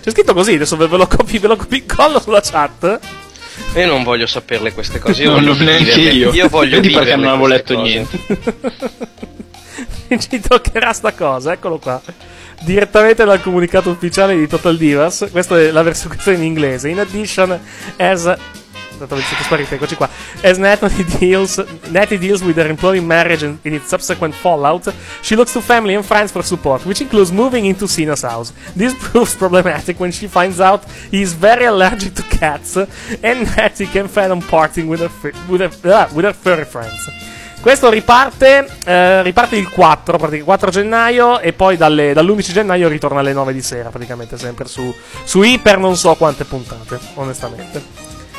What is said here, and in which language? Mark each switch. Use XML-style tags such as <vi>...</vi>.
<it>C'è scritto così, adesso ve lo copio in collo sulla chat. Io non voglio saperle queste cose, io non voglio neanche viverle. Io voglio dire perché non avevo letto niente. Ci toccherà sta cosa, eccolo qua, direttamente dal comunicato ufficiale di Total Divas. Questa è la versione in inglese.</it> <en>In addition, as...</en> <it>eccoci qua.</it> <en>As Natty deals with her employee marriage and its subsequent fallout, she looks to family and friends for support, which includes moving into Cena's house. This proves problematic when she finds out he's very allergic to cats, and Natty can't fathom parting with her furry friends.</en> <it>Questo riparte il 4, praticamente 4 gennaio, e poi dall'11 gennaio ritorna alle 9 di sera, praticamente sempre su I per non so quante puntate, onestamente.</it>